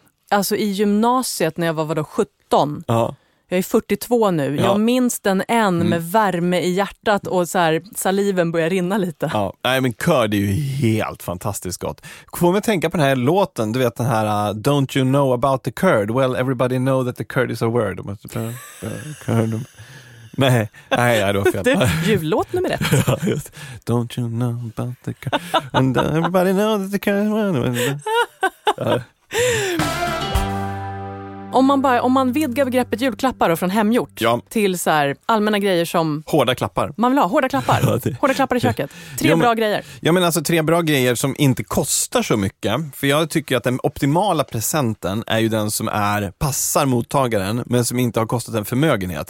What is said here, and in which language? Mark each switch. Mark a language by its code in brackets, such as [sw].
[sv] Alltså i gymnasiet när jag var vadå, 17. Ja. Jag är 42 nu. Ja. Jag minns den än med värme i hjärtat och så här, saliven börjar rinna lite. Ja. Nej, men curd är ju helt fantastiskt gott. Kommer jag tänka på den här låten, du vet den här [en] Don't you know about the curd? Well, everybody know that the curd is a word. [sv] Nej, jag då fel. Jullåt nummer 1. [en] Don't you know about the curd? And everybody know that the curd is a word. [sv] Om man vidgar begreppet julklappar och från hemgjort till så här allmänna grejer som... Hårda klappar. Man vill ha hårda klappar. Hårda klappar i köket. Tre bra grejer. Ja, men alltså 3 bra grejer som inte kostar så mycket. För jag tycker att den optimala presenten är ju den som är passar mottagaren men som inte har kostat en förmögenhet.